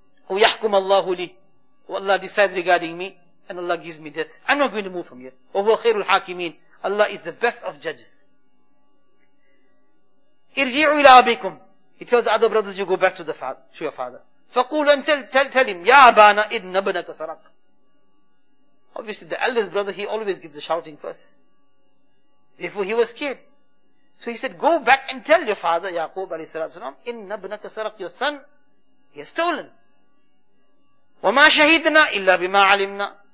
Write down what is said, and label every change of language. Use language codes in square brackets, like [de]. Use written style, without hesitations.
[ar] وَيَحْكُمَ اللَّهُ لِي. [en] Allah decides regarding me and Allah gives me death. I'm not going to move from here. [ar] وَهُوَ خَيْرُ الْحَاكِمِينَ. [en] Allah is the best of judges. [ar] اِرْجِعُوا إِلَىٰ أَبِيكُمْ. [en] He tells the other brothers, you go back to the father, to your father. [ar] فَقُولْ أَنْ [en] tell him, [ar] يَا أَبَانَا إِنَّ بَنَكَ سَرَقَ. [en] Obviously, the eldest brother, he always gives the shouting first. Before he was scared. So he said, go back and tell your father, Yaqub alayhi salatu wasalam, [ar] inna ibnaka saraq, [en] your son, he has stolen. [ar] وَمَا شَهِدْنَا إِلَّا بِمَا عَلِمْنَا.